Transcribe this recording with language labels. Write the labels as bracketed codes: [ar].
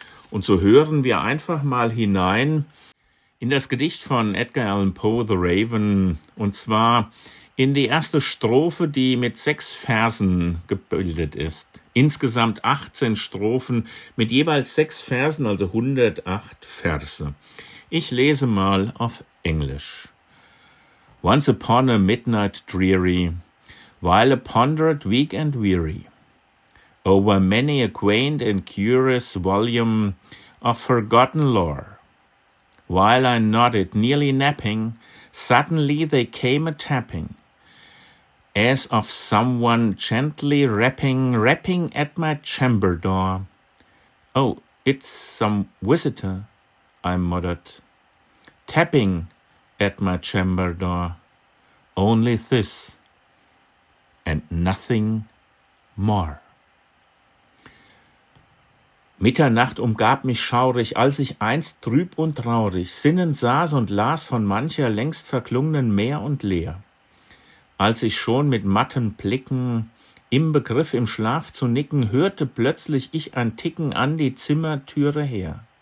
[de] Und so hören wir einfach mal hinein in das Gedicht von Edgar Allan Poe, The Raven, und zwar in die erste Strophe, die mit 6 Versen gebildet ist. Insgesamt 18 Strophen mit jeweils 6 Versen, also 108 Verse. Ich lese mal auf Englisch. [en] Once upon a midnight dreary, while I pondered weak and weary, over many a quaint and curious volume of forgotten lore, while I nodded nearly napping, suddenly they came a-tapping, as of someone gently rapping at my chamber door. Oh, it's some visitor, I muttered, tapping at my chamber door. Only this and nothing more. [de] Mitternacht umgab mich schaurig, als ich einst trüb und traurig sinnend saß und las von mancher längst verklungenen Meer und Leer. Als ich schon mit matten Blicken im Begriff im Schlaf zu nicken, hörte plötzlich ich ein Ticken an die Zimmertüre her.